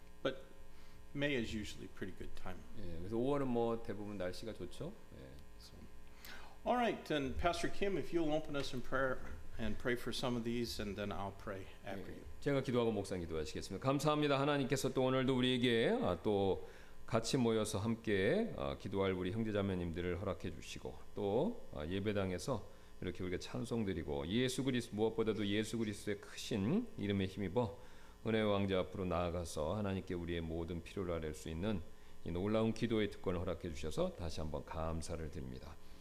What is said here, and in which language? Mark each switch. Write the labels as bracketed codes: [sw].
[en] But May is usually pretty good time. [ko] 예, 그래서 5월은 뭐 대부분 날씨가 좋죠. 예. So. [en] All right, then Pastor Kim, if you'll open us in prayer and pray for some of these, and then I'll pray after you. [ko] 예, 제가 기도하고 목사님 기도하시겠습니다. 감사합니다. 하나님께서 또 오늘도 우리에게 또 같이 모여서 함께 기도할 우리 형제자매님들을 허락해 주시고 또 예배당에서 이렇게 우리가 찬송드리고 예수 그리스도 무엇보다도 예수 그리스도의 크신 이름에 힘입어 은혜의 왕자 앞으로 나아가서 하나님께 우리의 모든 필요를 아뢸 수 있는 이 놀라운 기도의 특권을 허락해 주셔서 다시 한번 감사를 드립니다.